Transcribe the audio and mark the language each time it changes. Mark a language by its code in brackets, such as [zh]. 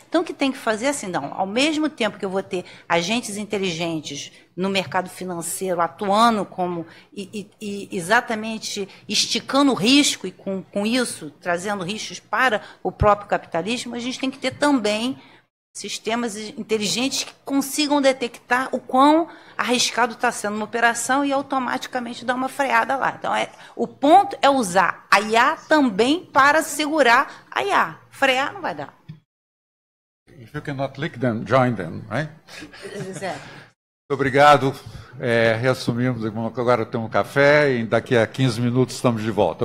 [pt] Então, o que tem que fazer, assim, não, ao mesmo tempo que eu vou ter agentes inteligentes no mercado financeiro, atuando como e exatamente esticando o risco e com isso trazendo riscos para o próprio capitalismo, a gente tem que ter também sistemas inteligentes que consigam detectar o quão arriscado está sendo uma operação e automaticamente dar uma freada lá. Então, o ponto é usar a IA também para segurar a IA. Frear não vai dar. [en] If you cannot lick them, join them, right? [pt] Exato. Muito obrigado. É, reassumimos, agora temos um café e daqui a 15 minutos estamos de volta.